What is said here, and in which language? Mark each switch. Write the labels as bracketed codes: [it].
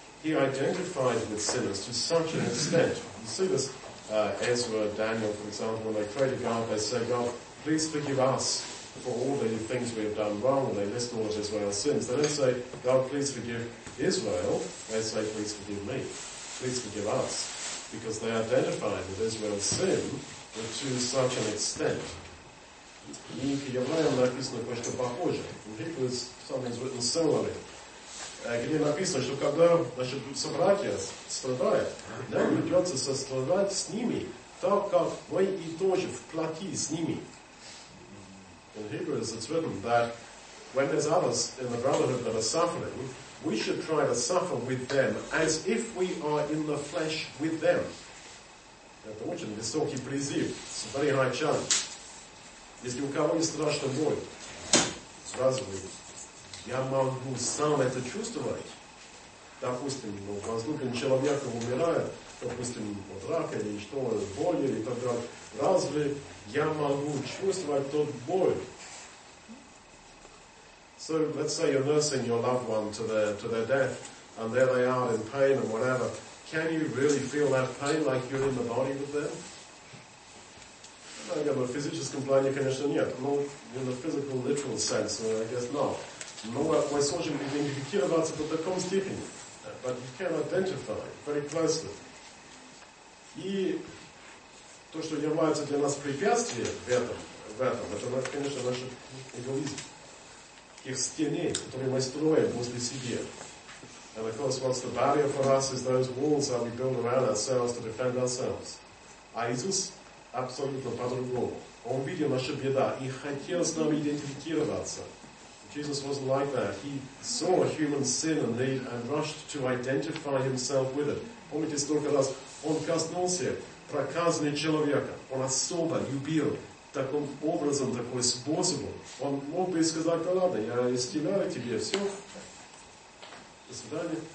[en] He identified with sinners to such an extent. You see this, Ezra, Daniel, for example, when they pray to God, they say, God, please forgive us for all the things we have done wrong, and they list all of Israel's sins. They don't say, God, please forgive Israel, they say, please forgive me, please forgive us, because they identified with Israel's sin to such an extent. [ru] И к евреям написано кое-что похожее. В Библии [en] something's written similarly. [ru] Где написано, что когда, значит, собратья страдают, нам придется сострадать с ними, так как мы и тоже в плоти с ними. [en] In Hebrews it's written that when there's others in the brotherhood that are suffering, we should try to suffer with them as if we are in the flesh with them. [ru] Это очень высокий призыв. [en] It's a very high challenge. [ru] Если у кого не страшно боль, сразу говорю, я могу сам это чувствовать. Допустим, ну, возлюбленный человек умирает, допустим, от рака или что, боли или так далее. Разве я могу чувствовать тот боль? [en] So, let's say you're nursing your loved one to their death, and there they are in pain and whatever. Can you really feel that pain like you're in the body with them? [ru] Я говорю, в физическом плане, конечно, нет. [en] Но in the physical, literal sense, I guess not. [ru] Но мы сможем идентифицироваться до такой степени. [en] But you can identify very closely. [ru] И то, что является для нас препятствием в этом, это, конечно, наш эгоизм. Их стены, которые мы строим возле себя. [en] And of course, what's the barrier for us is those walls that we build around ourselves to defend ourselves. [ru] А Иисус абсолютно по-другому. Он видел наши беда и хотел с нами идентифицироваться. [en] Jesus wasn't like that. He saw human sin and need and rushed to identify himself with it. [ru] Помните, столько раз он коснулся проказанного человека. Он особо любил таким образом, такой способом. Он мог бы сказать, да ладно, я исцеляю тебе, все. До свидания.